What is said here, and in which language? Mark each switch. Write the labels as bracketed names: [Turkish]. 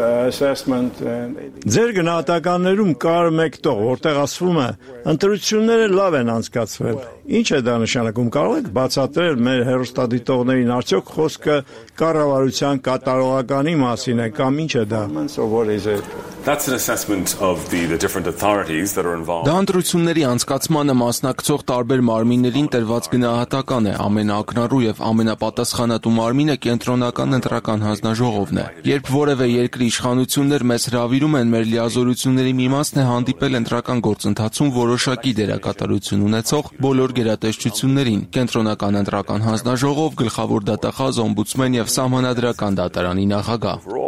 [Armenian] Ձեր գնահատականներում կար մեկ տող, որտեղ ասվում է, ընտրությունները լավ են անցկացվել։ Ինչ է դա նշանակում, կարող եք բացատրել մեր հեռուստադիտողներին, արդյոք խոսքը կառավարության կատարողականի մասին է, կամ ինչ է դա? [English] That's an assessment of the different authorities that are involved. [Armenian] Դա ընտրությունների անցկացմանը մասնակցող տարբեր մարմիններին տրված գնահատական է։ Ամենաակնառու և ամենապատասխանատու մարմինը կենտրոնական ընտրական հանձնաժողովն է։ Երբ որևէ երկրի իշխանություններ մեզ հրավիրում են, մեր լիազորությունների մի մասն է հանդիպել ընտրական գործընթացում որոշակի դերակատարություն ունեցող բոլոր գերատեսչություններին՝ կենտրոնական ընտրական հանձնաժողով, գլխավոր դատախազ, օմբուդսմեն և սահմանադրական դատարանի նախագահ։